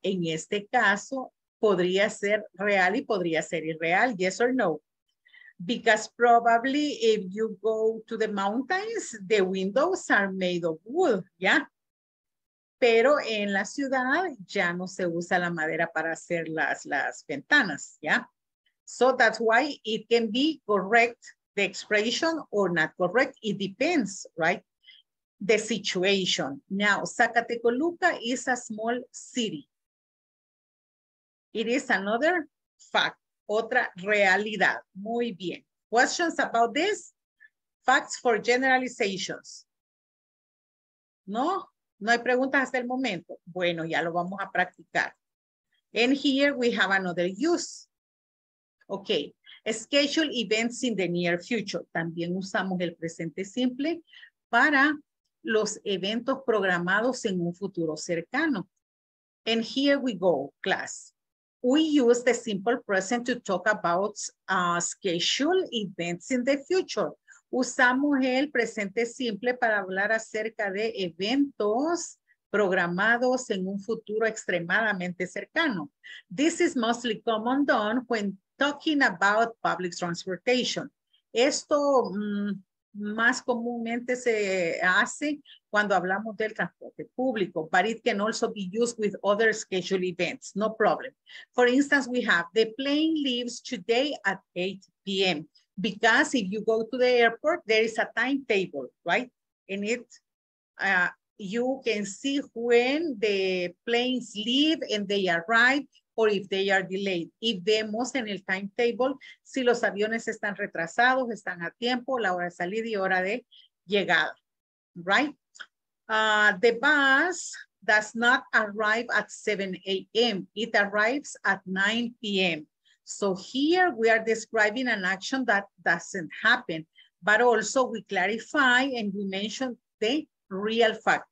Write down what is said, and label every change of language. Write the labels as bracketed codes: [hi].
[es] En este caso, podría ser real y podría ser irreal. [en] Yes or no? Because probably if you go to the mountains, the windows are made of wood, [es] ¿ya? Pero en la ciudad ya no se usa la madera para hacer las ventanas, ¿ya? [en] So that's why it can be correct, the expression, or not correct. It depends, right? The situation. Now, Zacatecoluca is a small city. It is another fact, [es] otra realidad. Muy bien. [en] Questions about this? facts for generalizations. [es] ¿No? No hay preguntas hasta el momento. Bueno, ya lo vamos a practicar. [en] And here we have another use. Okay. Schedule events in the near future. [es] También usamos el presente simple para los eventos programados en un futuro cercano. [en] And here we go, class. We use the simple present to talk about schedule events in the future. [es] Usamos el presente simple para hablar acerca de eventos programados en un futuro extremadamente cercano. [en] This is mostly common done when talking about public transportation. [es] Esto más comúnmente se hace cuando hablamos del transporte público, [en] but it can also be used with other scheduled events, no problem. For instance, we have the plane leaves today at 8 p.m. because if you go to the airport, there is a timetable, right? And it, you can see when the planes leave and they arrive or if they are delayed. If [es] vemos en el timetable, si los aviones están retrasados, están a tiempo, la hora de salida y hora de llegada, [en] right? The bus does not arrive at 7 a.m. It arrives at 9 p.m. So here we are describing an action that doesn't happen, but also we clarify and we mention the real fact.